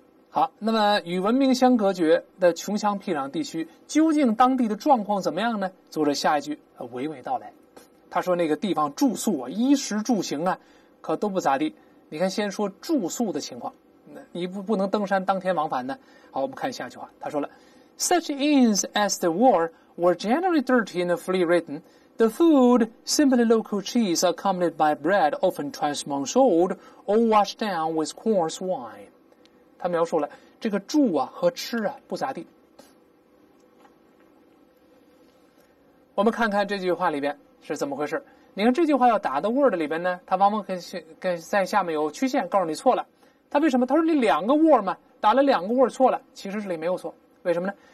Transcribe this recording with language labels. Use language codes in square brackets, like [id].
[zh] 好，那么与文明相隔绝的穷乡僻壤地区，究竟当地的状况怎么样呢？作者下一句娓娓道来，他说那个地方住宿啊，衣食住行啊，可都不咋地。你看先说住宿的情况，你不能登山当天往返呢。好，我们看下一句话，他说了 [en] Such inns as the were generally dirty and flea ridden. The food, simply local cheese accompanied by bread, often twice months old, or washed down with coarse wine. [zh] 他描述了这个住啊和吃啊不咋地。我们看看这句话里边是怎么回事？你看这句话要打到 word 里边呢，它往往跟在下面有曲线告诉你错了。它为什么？它说你两个 word 嘛，打了两个 word 错了，其实这里没有错。为什么呢？